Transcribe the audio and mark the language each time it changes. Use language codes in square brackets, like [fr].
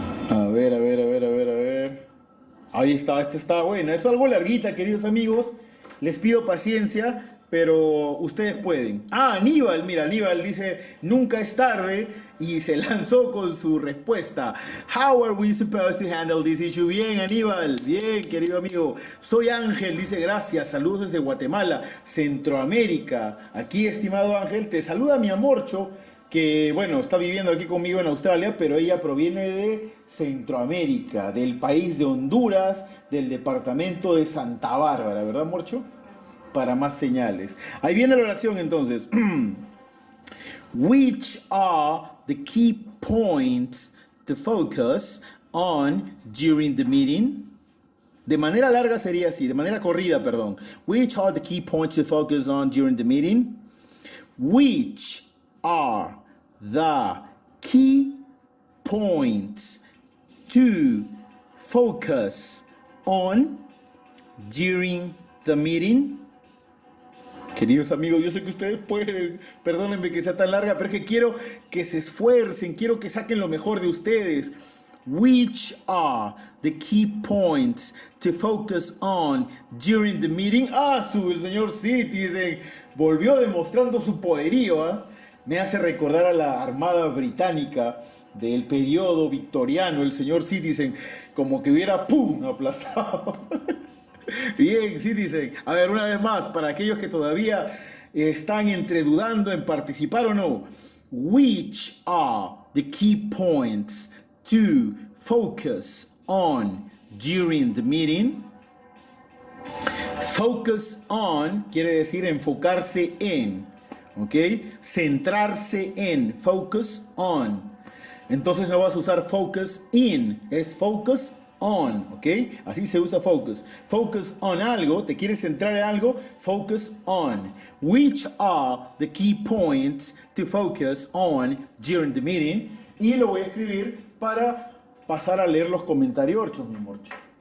[es] A ver, a ver, a ver, a ver, a ver. Ahí está, esta está buena. Es algo larguita, queridos amigos. Les pido paciencia, pero ustedes pueden. Ah, Aníbal, mira, Aníbal dice, nunca es tarde y se lanzó con su respuesta. [en] How are we supposed to handle this issue? [es] Bien, Aníbal, bien, querido amigo. Soy Ángel, dice, gracias, saludos desde Guatemala, Centroamérica. Aquí, estimado Ángel, te saluda mi amorcho, que bueno, está viviendo aquí conmigo en Australia, pero ella proviene de Centroamérica, del país de Honduras, del departamento de Santa Bárbara, ¿verdad, amorcho? Para más señales. Ahí viene la oración entonces. [en] Which are the key points to focus on during the meeting? [es] De manera larga sería así, de manera corrida, perdón. [en] Which are the key points to focus on during the meeting? Which are the key points to focus on during the meeting? [es] Queridos amigos, yo sé que ustedes pueden, perdónenme que sea tan larga, pero es que quiero que se esfuercen, quiero que saquen lo mejor de ustedes. [en] Which are the key points to focus on during the meeting? [es] Ah, su, el señor Sid, dice, volvió demostrando su poderío, ¿eh? Me hace recordar a la Armada Británica del periodo victoriano, el señor Sid, dicen, como que hubiera, ¡pum!, aplastado. Bien, sí dicen. A ver, una vez más, para aquellos que todavía están entre dudando en participar o no. [en] Which are the key points to focus on during the meeting? [es] Focus on quiere decir enfocarse en, ¿ok? Centrarse en, focus on. Entonces no vas a usar focus in, es focus on, ¿ok? Así se usa focus. Focus on algo, te quieres centrar en algo, focus on. [en] Which are the key points to focus on during the meeting? [es] Y lo voy a escribir para pasar a leer los comentarios, orchos, mi morcho.